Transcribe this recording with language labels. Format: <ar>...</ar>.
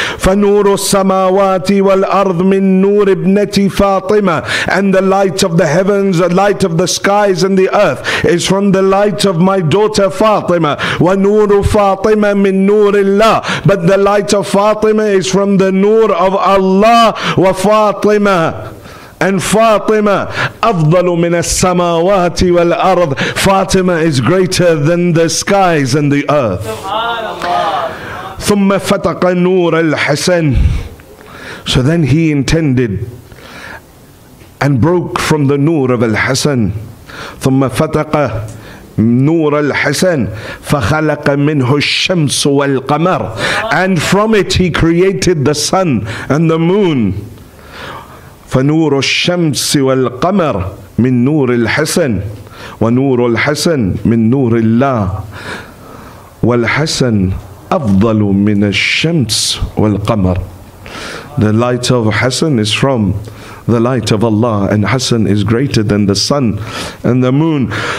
<ar>فَنُورُ السَّمَاوَاتِ وَالْأَرْضِ مِنْ نُورِ ابْنَتِ فَاطِمَ.</ar> <en>And the light of the heavens, the light of the skies and the earth is from the light of my daughter Fatima.</en> <ar>وَنُورُ فَاطِمَ مِنْ نُورِ اللَّهِ.</ar> <en>But the light of Fatima is from the Noor of Allah.</en> <ar>وَفَاطِمَ. And Fatima, أفضل من السماوات والأرض.</ar> <en>Fatima is greater than the skies and the earth.</en> <ar>ثم فتق نور الحسن.</ar> <en>So then he intended and broke from the Noor of Al-Hasan.</en> <ar>ثم فتق نور الحسن فخلق منه الشمس والقمر.</ar> <en>And from it he created the sun and the moon.</en> <ar>فنور الشمس والقمر من نور الحسن ونور الحسن من نور الله والحسن أفضل من الشمس والقمر.</ar> <en>The light of Hassan is from the light of Allah, and Hassan is greater than the sun and the moon.</en>